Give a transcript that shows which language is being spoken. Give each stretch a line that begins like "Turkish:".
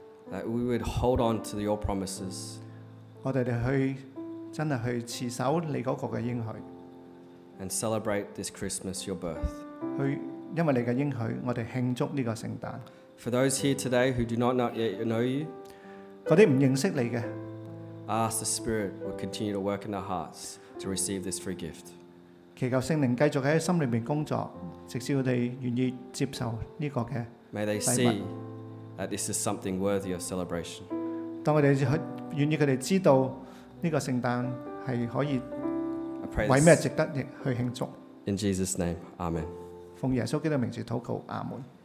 English: that we would hold on to your promises,
Chinese: 我們真的去持守你那個的應許,
English: and celebrate this Christmas, your birth.
Chinese: 因為你的應許, 我們慶祝這個聖誕。
English: For those here today who do not yet know you,
Chinese: 那些不認識你的,
English: I ask the Spirit will continue to work in their hearts to receive this free gift.
Chinese: 祈求聖靈繼續在心裡工作, 直至他們願意接受這個禮物。
English: May they see that this is something worthy of celebration.
Chinese: 當他們願意他們知道這個聖誕是可以,
English: I pray this,
Chinese: 為什麼值得去慶祝。
English: In Jesus' name, Amen.
Chinese: 奉耶穌基督的名字禱告，阿門。